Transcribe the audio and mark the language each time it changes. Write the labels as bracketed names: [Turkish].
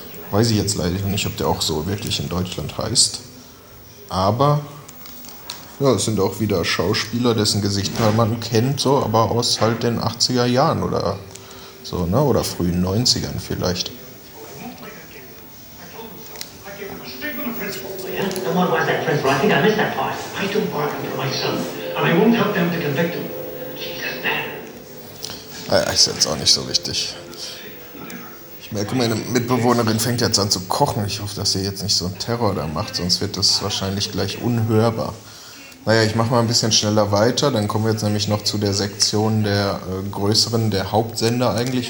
[German] Weiß ich jetzt leider nicht, ob der auch so wirklich in Deutschland heißt. Aber, ja, es sind auch wieder Schauspieler, dessen Gesichter man kennt, so, aber aus halt den 80er Jahren oder so, ne, oder frühen 90ern vielleicht. [English] No one wants that principal. I think I missed that part. I don't bargain for my son, and I won't help them to convict him. Jesus, man. [German] Ja, ist jetzt auch nicht so wichtig. Ich merke, meine Mitbewohnerin fängt jetzt an zu kochen. Ich hoffe, dass sie jetzt nicht so einen Terror da macht, sonst wird das wahrscheinlich gleich unhörbar. Naja, ich mache mal ein bisschen schneller weiter. Dann kommen wir jetzt nämlich noch zu der Sektion der größeren, der Hauptsender eigentlich.